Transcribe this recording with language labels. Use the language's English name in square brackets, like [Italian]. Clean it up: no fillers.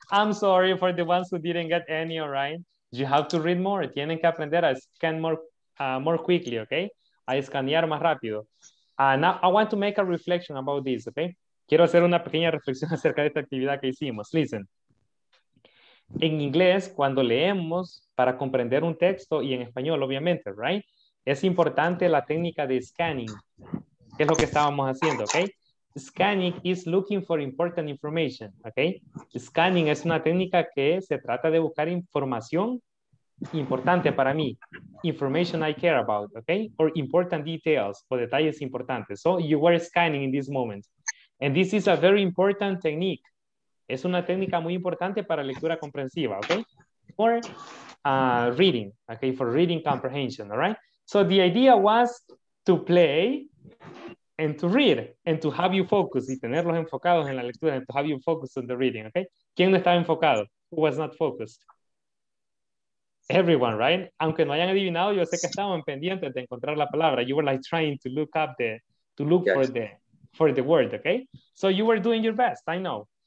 [English] I'm sorry for the ones who didn't get any. All right, you have to read more. [Spanish] Tienen que aprender a [English] scan more, more quickly. [Spanish] Okay, a escanear más rápido. [English] Now I want to make a reflection about this. [Spanish] Okay, quiero hacer una pequeña reflexión acerca de esta actividad que hicimos. Listen. En inglés, cuando leemos para comprender un texto y en español, obviamente, right? Es importante la técnica de scanning, que es lo que estábamos haciendo, okay? [English] Scanning is looking for important information, okay? [Spanish] Scanning es una técnica que se trata de buscar información importante para mí, [English] information I care about, [Spanish] okay? [English] Or important details, [Spanish] o detalles importantes. [English] So you were scanning in this moment. And this is a very important technique. [Spanish] Es una técnica muy importante para lectura comprensiva, okay? [English] For reading, okay? For reading comprehension, all right? So the idea was to play and to read and to have you focus [Spanish] y tenerlos enfocados en la lectura [English] and to have you focus on the reading, okay? [Spanish] ¿Quién no estaba enfocado? [English] Who was not focused? Everyone, right? [Spanish] Aunque no hayan adivinado, yo sé que estaban pendientes de encontrar la palabra. [English] You were like trying to look up the, to look yes. For the word, okay? So you were doing your best, I know.